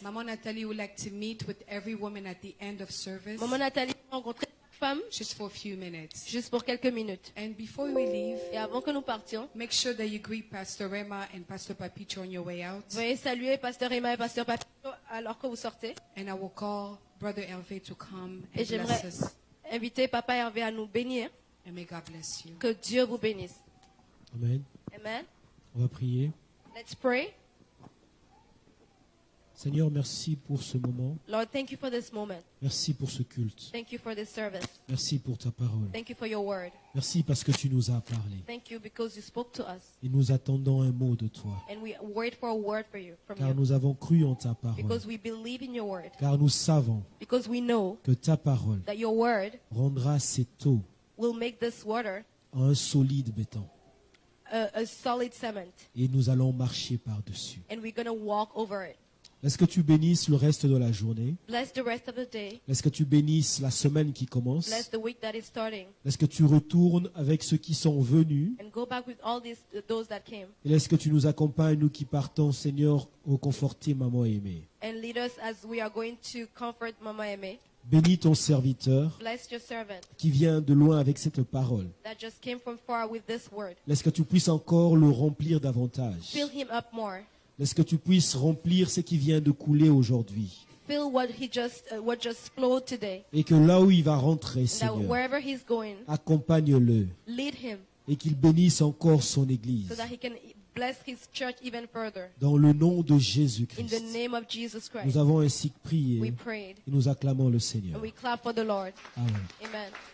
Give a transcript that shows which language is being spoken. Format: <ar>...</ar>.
<en>Maman Nathalie would like to meet with every woman at the end of service.</en> <fr>Maman Nathalie va rencontrer chaque femme.</fr> <en>Just for a few minutes.</en> <fr>Juste pour quelques minutes.</fr> <en>And before we leave,</en> <fr>et avant que nous partions,</fr> <en>make sure that you greet Pastor Emma and Pastor Papicho on your way out.</en> <fr>Veuillez saluer Pasteur Emma et Pasteur Papicho alors que vous sortez.</fr> <en>And I will call Brother Hervé to come and bless us.</en> <fr>Inviter Papa Hervé à nous bénir.</fr> <en>And may God bless you.</en> <fr>Que Dieu vous bénisse.</fr> <en>Amen.</en> <fr>Amen. On va prier.</fr> <en>Let's pray.</en> <fr>Seigneur, merci pour ce moment.</fr> <en>Lord, thank you for this moment.</en> <fr>Merci pour ce culte.</fr> <en>Thank you for this service.</en> <fr>Merci pour ta parole.</fr> <en>Thank you for your word.</en> <fr>Merci parce que tu nous as parlé.</fr> <en>Thank you because you spoke to us.</en> <fr>Et nous attendons un mot de toi.</fr> <en>And we wait for a word for you, from</en> <fr>car</fr> <en>you.</en> <fr>Nous avons cru en ta parole.</fr> <en>Because we believe in your word.</en> <fr>Car nous savons</fr> <en>because we know</en> <fr>que ta parole</fr> <en>that your word</en> <fr>rendra cette eau</fr> <en>will make this water</en> <fr>un solide béton.</fr> <en>A solid cement.</en> <fr>Et nous allons marcher par-dessus.</fr> <en>And we're going to walk over it.</en> <fr>Laisse que tu bénisses le reste de la journée.</fr> <en>Bless the rest of the day.</en> <fr>Laisse que tu bénisses la semaine qui commence.</fr> <en>Bless the week that is starting.</en> <fr>Laisse que tu retournes avec ceux qui sont venus.</fr> <en>And go back with all these, those that came.</en> <fr>Et laisse que tu nous accompagnes, nous qui partons, Seigneur, reconforter Maman Aimée.</fr> <en>And lead us as we are going to comfort Maman Aimée.</en> <fr>Bénis ton serviteur</fr> <en>bless your servant,</en> <fr>qui vient de loin avec cette parole.</fr> <en>That just came from far with this word.</en> <fr>Laisse que tu puisses encore le remplir davantage.</fr> <en>Fill him up more.</en> <fr>Laisse que tu puisses remplir ce qui vient de couler aujourd'hui.</fr> <en>Fill what just flowed today.</en> <fr>Et que là où il va rentrer, Seigneur,</fr> <en>that wherever he's going,</en> <fr>accompagne-le.</fr> <en>Lead him.</en> <fr>Et qu'il bénisse encore son Église.</fr> <en>So that he can bless his church even further.</en> <fr>Dans le nom de Jésus-Christ.</fr> <en>In the name of Jesus Christ.</en> <fr>Nous avons ainsi prié.</fr> <en>We prayed.</en> <fr>Et nous acclamons le Seigneur.</fr> <en>And we clap for the Lord.</en> <fr>Amen.</fr> <en>Amen.</en>